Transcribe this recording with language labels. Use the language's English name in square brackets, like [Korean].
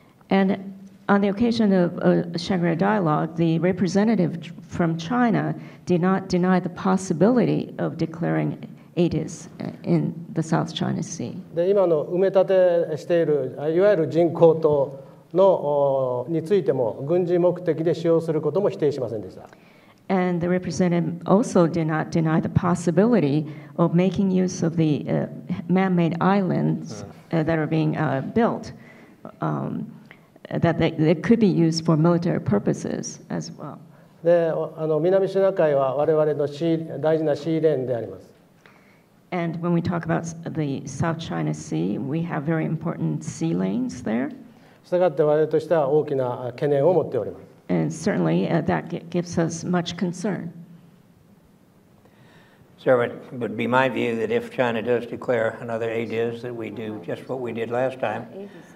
[English] And on the occasion of a Shangri-La dialogue, the representative from China did not deny the possibility of declaring ADIS in the South China Sea. [Japanese] で、今の埋め立てしている、いわゆる人工島のについても、軍事目的で使用することも否定しませんでした。 [English] And the representative also did not deny the possibility of making use of the man-made islands that are being built. That they could be used for military purposes as well. [Japanese] で、南シナ海は我々の大事なシーレーンであります。 [English] And when we talk about the South China Sea, we have very important sea lanes there. [Japanese] したがって我々としては大きな懸念を持っております。 [English] And certainly, that gives us much concern. Sir, it would be my view that if China does declare another ADIS, that we do just what we did last time.